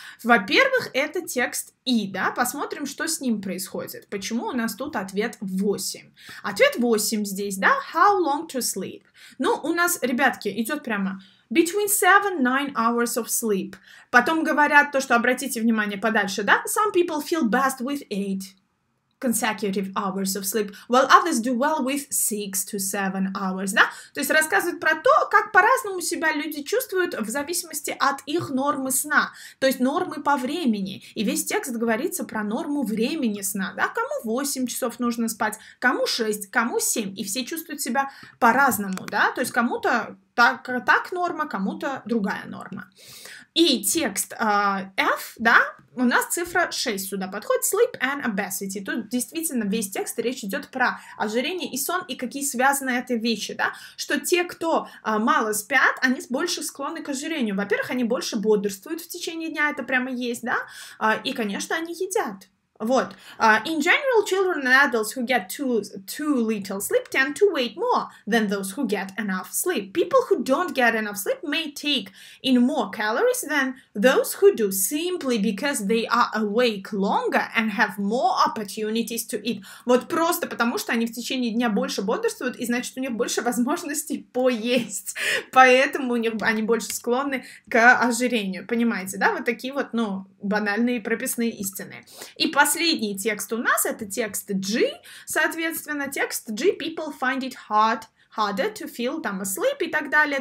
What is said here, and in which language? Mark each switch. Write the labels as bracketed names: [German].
[Russian] Во-первых, это текст И, да? Посмотрим, что с ним происходит. Почему у нас тут ответ 8? Ответ 8 здесь, да? [English] How long to sleep? [Russian] Ну, у нас, ребятки, идет прямо... [English] Between 7-9 hours of sleep. [Russian] Потом говорят то, что обратите внимание подальше, да? [English] Some people feel best with 8 consecutive hours of sleep, while others do well with 6-7 hours, да? [Russian] То есть рассказывают про то, как по-разному себя люди чувствуют в зависимости от их нормы сна, то есть нормы по времени. И весь текст говорится про норму времени сна, да? Кому 8 часов нужно спать, кому 6, кому 7, и все чувствуют себя по-разному, да? То есть кому-то... Так норма, кому-то другая норма. И текст F, да, у нас цифра 6 сюда подходит, [English] sleep and obesity. [Russian] Тут действительно весь текст, речь идет про ожирение и сон, и какие связаны эти вещи, да, что те, кто мало спят, они больше склонны к ожирению. Во-первых, они больше бодрствуют в течение дня, это прямо есть, да, и, конечно, они едят. Вот. [English] In general, children and adults who get too little sleep tend to weigh more than those who get enough sleep. People who don't get enough sleep may take in more calories than those who do, simply because they are awake longer and have more opportunities to eat. [Russian] Вот просто потому, что они в течение дня больше бодрствуют, и значит, у них больше возможностей поесть. Поэтому у них они больше склонны к ожирению. Понимаете, да? Вот такие вот, ну, банальные прописные истины. И последний текст у нас, это текст G, соответственно, текст G, [English] people find it harder to feel, [Russian] там, asleep и так далее.